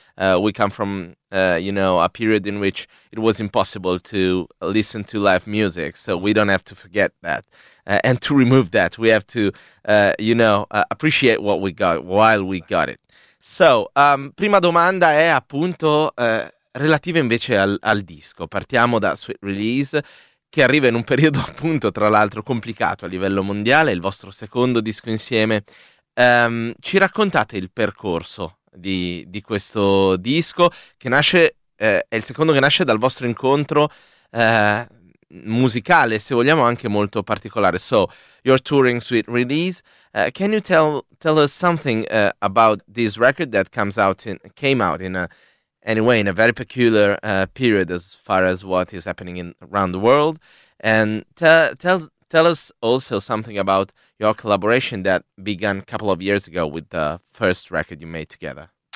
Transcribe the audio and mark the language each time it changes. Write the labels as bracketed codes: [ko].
[en] We come from, you know, a period in which it was impossible to listen to live music, so we don't have to forget that. And to remove that, we have to, you know, appreciate what we got while we got it. [it] So, prima domanda è appunto relativa invece al disco. Partiamo da Sweet Release, che arriva in un periodo appunto, tra l'altro, complicato a livello mondiale, il vostro secondo disco insieme. Ci raccontate il percorso di questo disco che nasce, è il secondo che nasce dal vostro incontro musicale, se vogliamo anche molto particolare. [en] So you're touring Sweet Release, can you tell us something about this record that came out in a very peculiar period as far as what is happening around the world, and tell us also something about your collaboration that began a couple of years ago with the first record you made together.